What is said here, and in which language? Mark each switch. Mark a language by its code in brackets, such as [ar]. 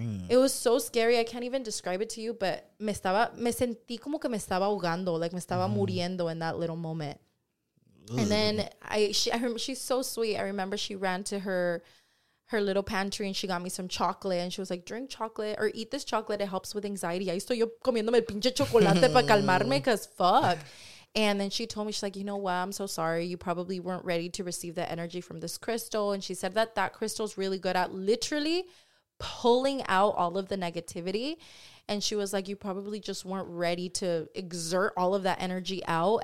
[en] It was so scary. I can't even describe it to you. But [es] me sentí como que me estaba ahogando. [en] Like, [es] me estaba muriendo [en] in that little moment. And then she's so sweet. I remember she ran to her little pantry and she got me some chocolate and she was like, drink chocolate or eat this chocolate. It helps with anxiety. [es] Ahí estoy yo comiéndome el pinche chocolate para calmarme, [en] cause fuck. And then she told me, she's like, you know what? I'm so sorry. You probably weren't ready to receive the energy from this crystal. And she said that crystal's really good at literally pulling out all of the negativity. And she was like, you probably just weren't ready to exert all of that energy out.